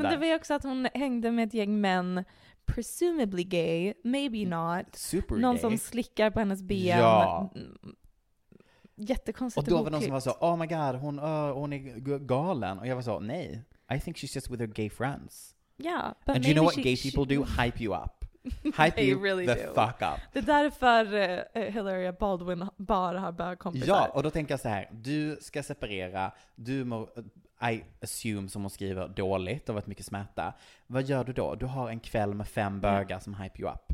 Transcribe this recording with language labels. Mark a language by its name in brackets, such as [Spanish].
[Swedish] Men det var ju också att hon hängde med ett gäng män, [English] presumably gay, maybe not. [Swedish] Super någon gay. Som slickar på hennes ben. Ja. Jättekonstigt. Och då var det någon som var så, [English] oh my god, [Swedish] hon är galen. Och jag var så, nej. [English] I think she's just with her gay friends. Yeah, but and you know what gay people do? Hype you up. Hype you really the do. Fuck up. [Swedish] Det är därför Hillary Baldwin bara har bögkompisar. Ja, och då tänker jag så här, du ska separera. Du mår, [English] I assume, [Swedish] som hon skriver, dåligt och varit mycket smärta. Vad gör du då? Du har en kväll med fem bögar som [English] hype you up.